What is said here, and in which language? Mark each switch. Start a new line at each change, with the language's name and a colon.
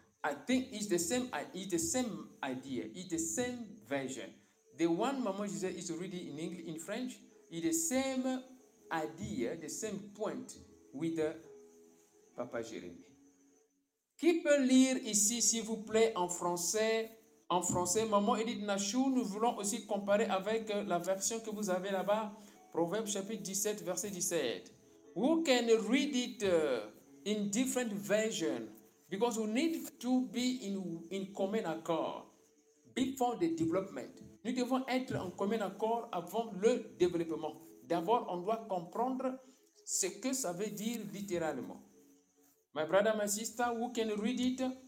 English: I think it's the same idea, it's the same version. The one Maman Gisèle is reading in English, in French, is the same idea, the same point with Papa Jérémy.
French: Qui peut lire ici, s'il vous plaît, en français, Maman Edith Nashu, nous voulons aussi comparer avec la version que vous avez là-bas, Proverbe chapitre 17, verset 17.
English: Who can read it in different version? Because we need to be in common accord before the development.
French: Nous devons être en commun accord avant le développement. D'abord, on doit comprendre ce que ça veut dire littéralement.
English: My brother, my sister, who can read it?